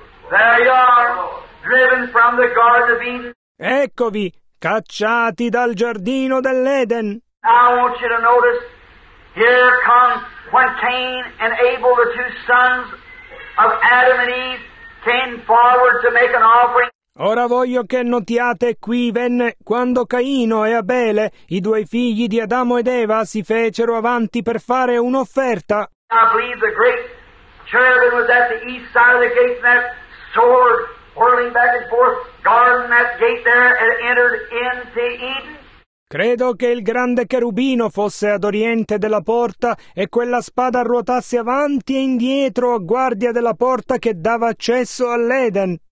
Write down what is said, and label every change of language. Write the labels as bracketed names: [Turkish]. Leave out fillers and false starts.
[English] There you are, driven from the Garden of Eden. [Italian] Eccovi, cacciati dal giardino dell'Eden. [English] I want you to notice, here come when Cain and Abel, the two sons of Adam and Eve, came forward to make an offering. [Italian] Ora voglio che notiate qui venne quando Caino e Abele, i due figli di Adamo ed Eva, si fecero avanti per fare un'offerta. [English] I believe the great cherubim was at the east side of the gate, and that sword whirling back and forth, guarding that gate there, and entered into Eden. [Italian] Credo che il grande cherubino fosse ad oriente della porta e quella spada ruotasse avanti e indietro a guardia della porta che dava accesso all'Eden.